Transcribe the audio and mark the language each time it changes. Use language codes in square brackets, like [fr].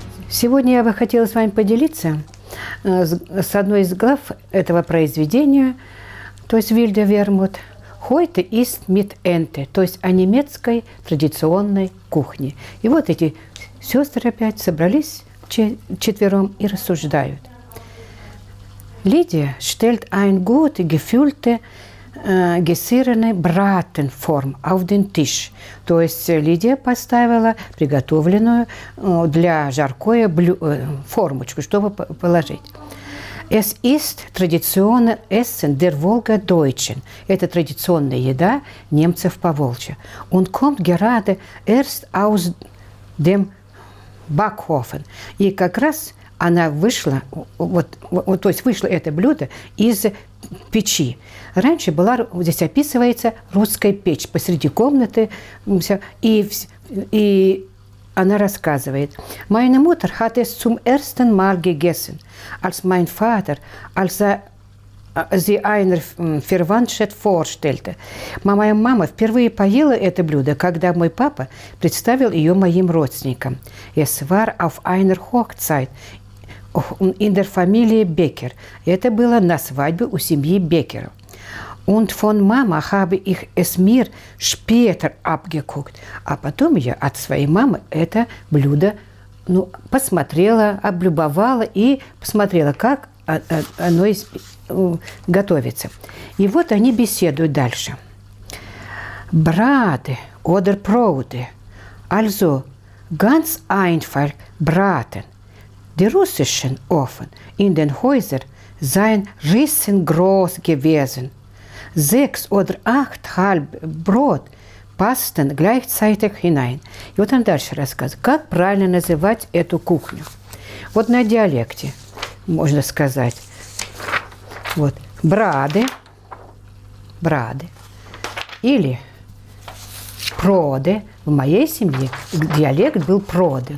[ru] Сегодня я бы хотела с вами поделиться с одной из глав этого произведения, то есть «Вильде Вермут», «Хойте ист мит энте», то есть о немецкой традиционной кухне. И вот эти сестры опять собрались четвером и рассуждают. [de] «Лидия штельт ein gut gefüllte gesirene Bratenform auf den Tisch». [ru] То есть Лидия поставила приготовленную для жаркое формочку, чтобы положить. [de] «Es ist traditionelles Essen der Volga Deutschen». [ru] Это традиционная еда немцев Поволжья. [de] «Und kommt gerade erst aus dem Backofen». [ru] И как раз она вышла, то есть вышло это блюдо из печи. Раньше была, здесь описывается, русская печь посреди комнаты, и она рассказывает. [de] «Meine Mutter hat es zum ersten Mal gegessen, als mein Vater, als sie einer Verwandtschaft vorstellte». [ru] Моя мама впервые поела это блюдо, когда мой папа представил ее моим родственникам. [de] «Es war auf einer Hochzeit». In der Familie Becker. [ru] Это было на свадьбе у семьи Беккеров. [de] Und von Mama habe ich es mir später abgeguckt. [ru] А потом я от своей мамы это блюдо посмотрела, облюбовала и посмотрела, как оно готовится. И вот они беседуют дальше. [de] Brate oder Brote. Also ganz einfach braten. Der russischen Ofen in den Häusern seien riesengroß gewesen. Sechs oder acht halb Brot passten gleichzeitig hinein. [ru] И вот он дальше рассказывает, как правильно называть эту кухню. Вот на диалекте можно сказать. Вот брады, брады. Или проды. В моей семье диалект был проды.